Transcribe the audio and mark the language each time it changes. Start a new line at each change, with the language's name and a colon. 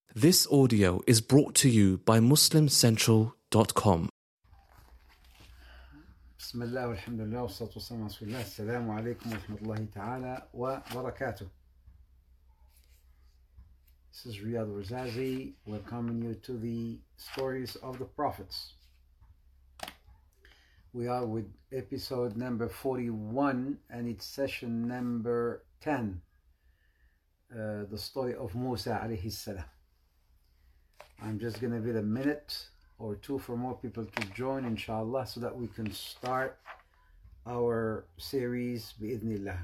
English: This audio is brought to you by MuslimCentral.com.
Arabic: بسم الله والحمد لله والصلاة والسلام على رسول الله. السلام عليكم ورحمة الله تعالى وبركاته.
English: This is Riyad Razazi welcoming you to the Stories of the Prophets. We are with episode number 41 and it's session number 10. The story of Musa alayhi salam. I'm just going to give it a minute or two for more people to join, inshallah, so that we can start our series, bi-idhnillah.